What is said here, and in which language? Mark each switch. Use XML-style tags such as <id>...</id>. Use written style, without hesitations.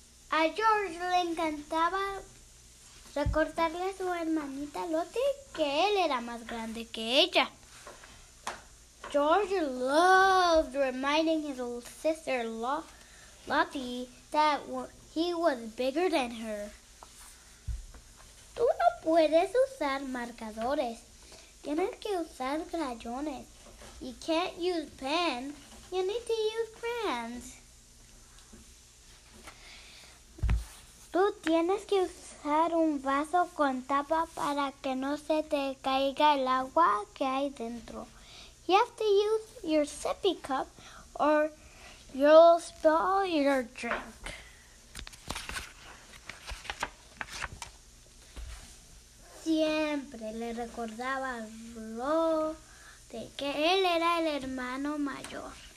<es>A George le encantaba recordarle a su hermanita Lottie que él era más grande que ella.</es> <en>George loved reminding his old sister Lottie that he was bigger than her.</en> <es>Tú no puedes usar marcadores. Tienes que usar crayones.</es> <en>You can't use pen. You need to use crayons.</en> <es>Tú tienes que usar un vaso con tapa para que no se te caiga el agua que hay dentro.</es> <en>You have to use your sippy cup or you'll spill your drink.</en> <es>Siempre le recordaba a Flo de que él era el hermano mayor.</es>